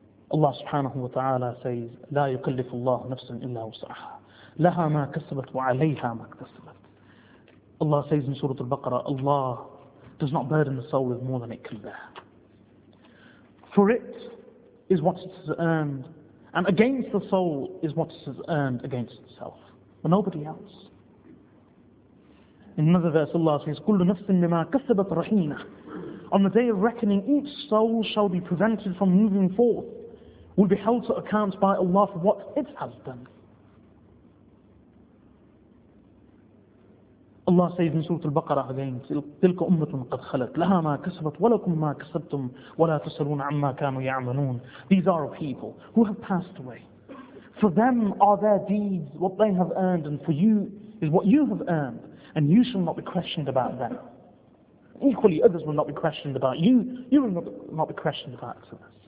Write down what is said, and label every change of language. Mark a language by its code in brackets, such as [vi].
[en] Allah subhanahu wa ta'ala says, [ar] لا يكلف الله نفسا إلا وسعها لها ما كسبت وعليها ما اكتسبت. [en] Allah says in Surah Al-Baqarah, Allah does not burden the soul with more than it can bear. For it is what it has earned, and against the soul is what it has earned against itself, but nobody else. In another verse, Allah says, [ar] كل نفس بما كسبت رهينة. [en] On the day of reckoning, each soul shall be prevented from moving forth, will be held to account by Allah for what it has done. Allah says in Surah Al-Baqarah again, [ar] تِلْكَ أُمَّةٌ قَدْ خَلَتْ لَهَا مَا كَسَبَتْ وَلَكُمْ مَا كَسَبْتُمْ وَلَا تُسْأَلُونَ عَمَّا كَانُوا يَعْمَلُونَ. [en] These are a people who have passed away. For them are their deeds, what they have earned, and for you is what you have earned, and you shall not be questioned about them. Equally, others will not be questioned about you. You will not be questioned about others.